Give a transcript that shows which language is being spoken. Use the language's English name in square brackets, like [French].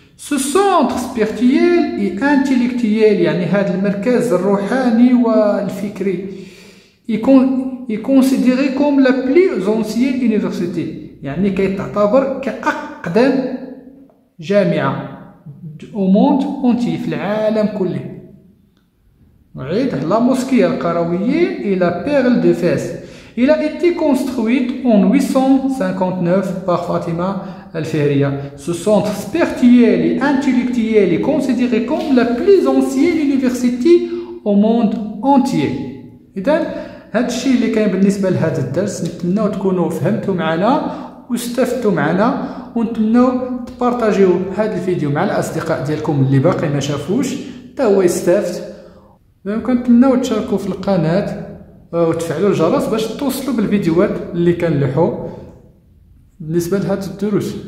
[French] سو سونتر سبيرتييل اي انتيليكتييل، [Arabic] يعني هذا المركز الروحاني والفكري يكون [French] considéré comme la plus ancienne université، [Arabic] يعني كيتعتبر كأقدم جامعة [French] au monde entier، [Arabic] في العالم كله. نعيد، [French] لا موسكي القرويين et la perle de Fès. Il a été construite en 859 par Fatima الفهرية. Ce centre spirituel et intellectuel est considéré comme la plus ancienne université au monde entier. [Arabic] إذن هذا الشيء اللي كان بالنسبة لهذا الدرس، نتمنى تكونوا فهمتوا معنا واستفدتوا معنا، ونتمنى تبارتاجيو هذا الفيديو مع الأصدقاء ديالكم اللي باقي ما شافوش حتى هو يستفد، ونتمنى تشاركوا في القناة وتفعلوا الجرس باش توصلوا بالفيديوهات اللي كنلوحوا بالنسبة لهذا الدروس.